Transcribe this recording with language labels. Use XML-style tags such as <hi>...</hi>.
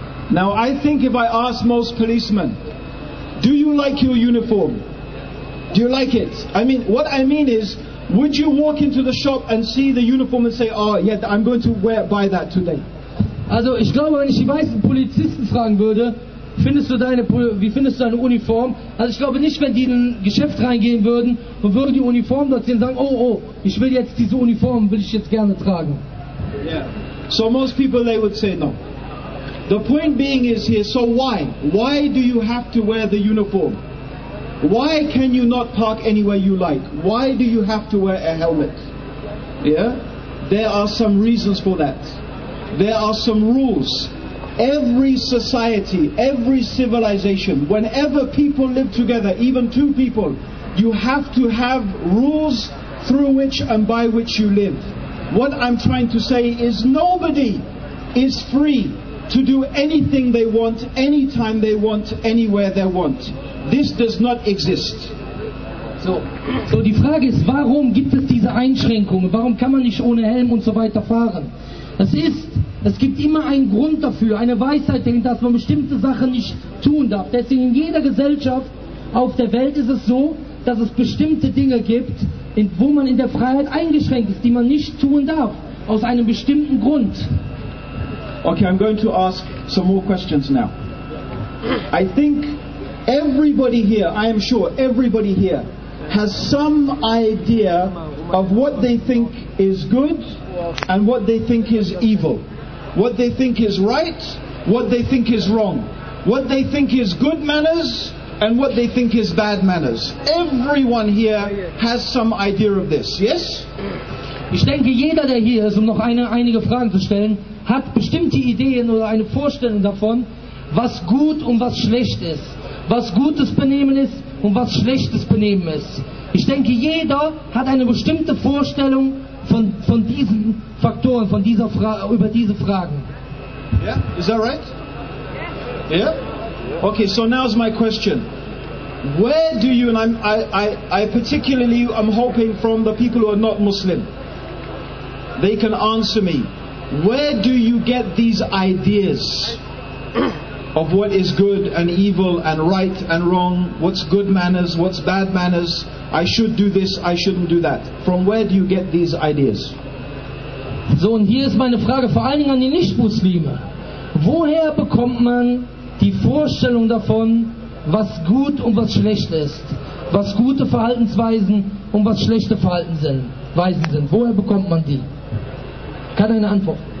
<en>Now I think if I ask most policemen, do you like your uniform? Do you like it? I mean, what I mean is, would you walk into the shop and see the uniform and say, oh yeah, I'm going to buy that today?</en> <de>Also ich glaube, wenn ich die weißen Polizisten fragen würde, wie findest du deine Uniform? Also ich glaube nicht, wenn die in ein Geschäft reingehen würden und würden die Uniform dort sehen und sagen, oh, ich will jetzt diese Uniform, will ich jetzt gerne tragen.</de> <en>Yeah. So most people, they would say no. The point being is here, so why? Why do you have to wear the uniform? Why can you not park anywhere you like? Why do you have to wear a helmet? Yeah? There are some reasons for that. There are some rules. Every society, every civilization, whenever people live together, even two people, you have to have rules through which and by which you live. What I'm trying to say is nobody is free to do anything they want, anytime they want, anywhere they want. This does not exist.</en> <de>So die Frage ist, warum gibt es diese Einschränkungen? Warum kann man nicht ohne Helm und so weiter fahren? Es gibt immer einen Grund dafür, eine Weisheit dahinter, dass man bestimmte Sachen nicht tun darf. Deswegen in jeder Gesellschaft auf der Welt ist es so, dass es bestimmte Dinge gibt, wo man in der Freiheit eingeschränkt ist, die man nicht tun darf, aus einem bestimmten Grund.</de> <en>Okay, I'm going to ask some more questions now. I think everybody here, I am sure, everybody here has some idea of what they think is good and what they think is evil. What they think is right, what they think is wrong. What they think is good manners, and what they think is bad manners. Everyone here has some idea of this, yes?</en> <de>Ich denke, jeder, der hier ist, um noch einige Fragen zu stellen, hat bestimmte Ideen oder eine Vorstellung davon, was gut und was schlecht ist. Was gutes Benehmen ist und was schlechtes Benehmen ist. Ich denke, jeder hat eine bestimmte Vorstellung, von diesen Faktoren, von dieser über diese Fragen.</de> <en>Yeah, is that right? Yeah. Okay, so now's my question. Where do you, and I particularly am hoping from the people who are not Muslim, they can answer me. Where do you get these ideas of what is good and evil and right and wrong, what's good manners, what's bad manners, I should do this, I shouldn't do that? From where do you get these ideas?</en> <de>So, und hier ist meine Frage vor allen Dingen an die Nicht-Muslime. Woher bekommt man die Vorstellung davon, was gut und was schlecht ist, was gute Verhaltensweisen und was schlechte Verhaltensweisen sind? Woher bekommt man die? Kann eine Antwort.</de>